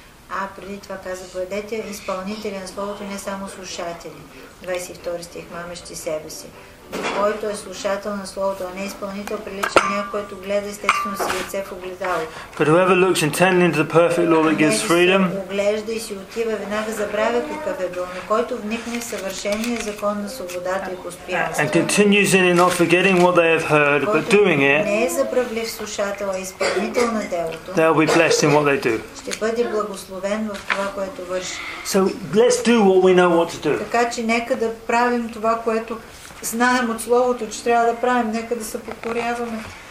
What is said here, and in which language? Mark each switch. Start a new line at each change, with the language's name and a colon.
Bulgarian: А преди това каза, бъдете изпълнители на Словото, не само слушатели. 22 стих, мамещи себе си. Който е слушател на Словото, а не изпълнител, прилича на някой, който гледа естествено си лице в огледало.
English: But whoever looks intently into the perfect law that gives freedom,
Bulgarian: оглежда и си отива, веднага забравя какъв е бил, но който вникне в съвършения закон на свободата и постоянството,
English: and continues in it, not forgetting what they have heard, but doing it,
Bulgarian: не е забравлив слушател, а изпълнител на делото,
English: they'll be blessed in what they do.
Bulgarian: Ще бъде благословен в това, което върши.
English: So let's do what we know what to do.
Bulgarian: Така че нека да правим това, което знаем от Словото, че трябва да правим, нека да се покоряваме.